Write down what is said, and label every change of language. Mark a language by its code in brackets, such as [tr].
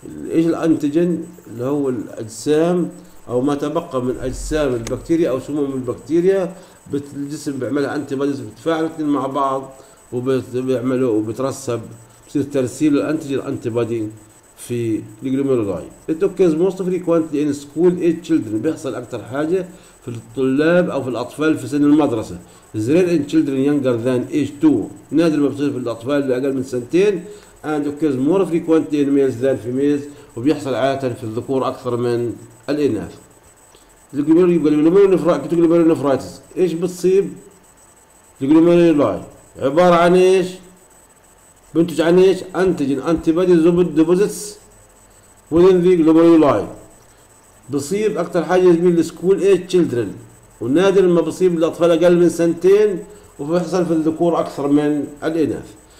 [ar] ايش الانتيجين؟ اللي هو الاجسام او ما تبقى من اجسام البكتيريا او سموم البكتيريا، الجسم بيعملها انتي بوديز بتتفاعل مع بعض وبيعملوا وبترسب بصير ترسيل الانتيجين انتي بادي في الجلوميرولاي. [en] It occurs most frequently in school age children، [ar] بيحصل اكثر حاجه في الطلاب او في الاطفال في سن المدرسه. [en] Is rare in children younger than age 2، [ar] نادر ما بصير في الاطفال اللي اقل من سنتين. [en] And occurs more frequently in males than females، [ar] وبيحصل عاده في الذكور اكثر من الاناث. الجلوميرولونفرايتس ايش بتصيب؟ الجلوميرولاي عباره عن ايش؟ بنتج عن ايش؟ [en] Antigen antibody deposits within the glomeruli. [ar] بصيب اكثر حاجه من [en] السكول age children, [ar] ونادر ما بصيب الاطفال اقل من سنتين، وبيحصل في الذكور اكثر من الاناث.